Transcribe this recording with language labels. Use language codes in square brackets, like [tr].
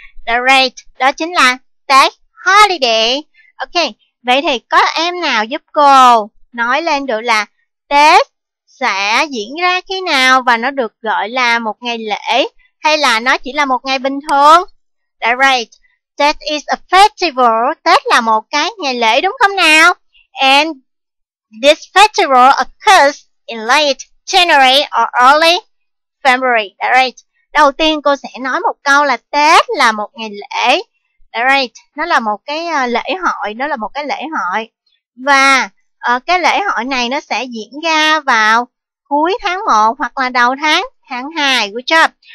[vi] Right, đó chính là Tết Holiday. Ok, vậy thì có em nào giúp cô nói lên được là Tết sẽ diễn ra khi nào và nó được gọi là một ngày lễ hay là nó chỉ là một ngày bình thường? [en] Right, Tết is a festival. [vi] Tết là một cái ngày lễ đúng không nào? [en] And this festival occurs in late January or early February. All right. [vi] Đầu tiên cô sẽ nói một câu là Tết là một ngày lễ. [en] All right. [vi] Nó là một cái lễ hội, nó là một cái lễ hội. Và cái lễ hội này nó sẽ diễn ra vào cuối tháng 1 hoặc là đầu tháng 2. [en] Good job.